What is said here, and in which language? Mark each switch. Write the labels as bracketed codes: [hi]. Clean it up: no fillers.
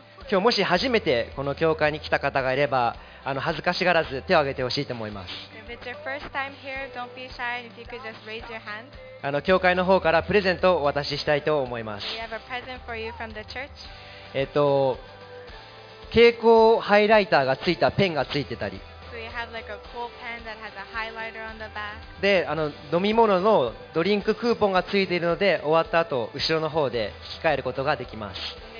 [ja] 今日もし初めてこの教会に来た方がいれば、恥ずかしがらず手を挙げてほしいと思います。 [en] If it's your first time here, don't be shy, if you could just raise your hand. [ja] 教会の方からプレゼントをお渡ししたいと思います。 [en] We have a present for you from the church. [ja] 蛍光ハイライターがついたペンがついてたり、 [en] So you have like a cool pen that has a highlighter on the back. [ja] で、飲み物のドリンククーポンがついているので、終わった後後ろの方で引き換えることができます。